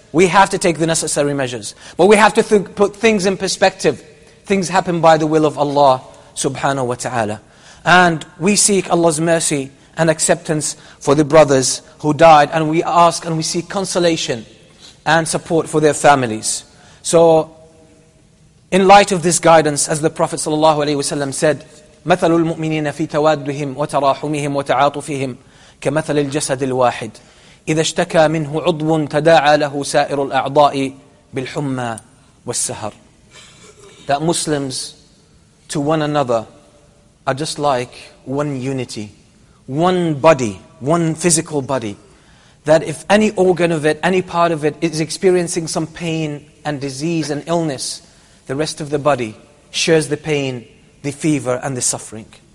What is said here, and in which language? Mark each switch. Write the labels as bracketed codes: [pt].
[en] We have to take the necessary measures. But we have to put things in perspective. Things happen by the will of Allah subhanahu wa ta'ala. And we seek Allah's mercy and acceptance for the brothers who died. And we ask and we seek consolation and support for their families. So, in light of this guidance, as the Prophet sallallahu alaihi wasallam said, [ar] مَثَلُ الْمُؤْمِنِينَ فِي تَوَادُّهِمْ وَتَرَاحُمِهِمْ وَتَعَاطُفِهِمْ كَمَثَلِ الْجَسَدِ الْوَاحِدِ إِذَا اشْتَكَى مِنْهُ عُضْوٌ تَدَاعَى لَهُ سَائِرُ الْأَعْضَاءِ بِالْحُمَّى وَالسَّهَرِ. [en] That Muslims to one another are just like one unity, one body, one physical body. That if any organ of it, any part of it is experiencing some pain and disease and illness, the rest of the body shares the pain, the fever and the suffering.